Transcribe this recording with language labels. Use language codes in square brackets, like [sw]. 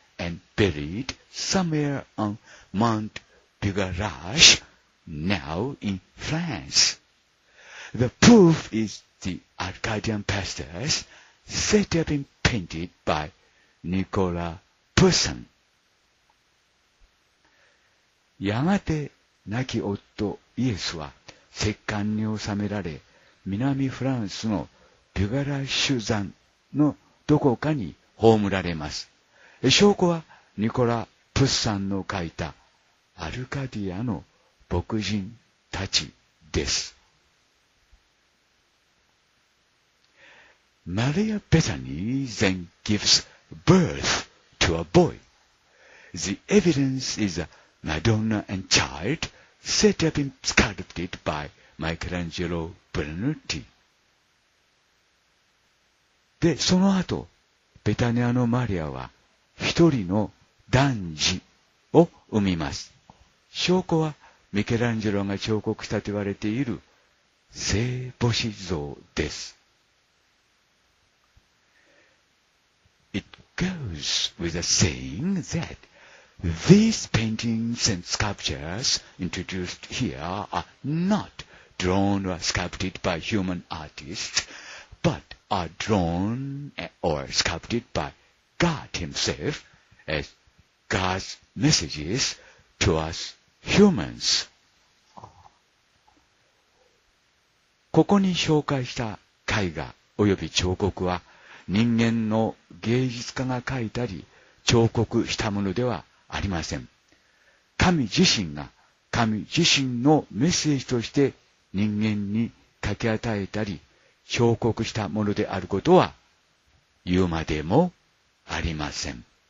[en] And buried somewhere on Mount Bugarache, now in France. The proof is the Arcadian pastures said to have been painted by Nicolas Poussin. [ja] やがて亡き夫イエスは石棺に収められ、南フランスのビュガラッシュ山のどこかに葬られます。証拠はニコラ・プッサンの書いたアルカディアの牧人たちです。 [en] マリア・ベタニー then gives birth to a boy. The evidence is a Madonna and child set to have been sculpted by Michelangelo Brunetti. [ja] で、その後、ベタニアのマリアは一人の男児を産みます。証拠はミケランジェロが彫刻したと言われている聖母子像です。 [en] It goes with a saying that these paintings and sculptures introduced here are not drawn or sculpted by human artists, but are drawn or sculpted byGod himself as God's messages to us humans. [ja] ここに紹介した絵画及び彫刻は人間の芸術家が描いたり彫刻したものではありません。神自身が神自身のメッセージとして人間に書き与えたり彫刻したものであることは言うまでもありません。